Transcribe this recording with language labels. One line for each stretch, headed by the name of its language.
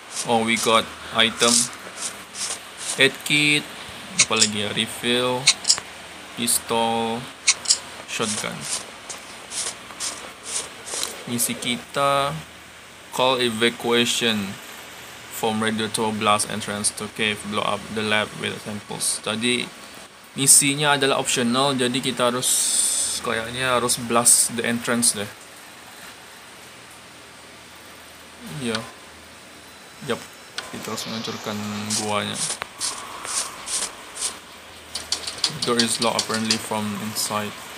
English: Oh, we got item. Head kit.
Indonesian: Apa lagi ya?
English: Refill. Pistol. Shotgun.
Indonesian: Misi kita.
English: Call evacuation from radio to blast entrance to cave. Blow up the lab with samples.
Indonesian: Jadi, misinya adalah optional. Jadi, kita harus kayaknya harus
English: blast the entrance
Indonesian: deh. Iya. Yep. Kita harus menghancurkan guanya.
English: Door is locked apparently from inside.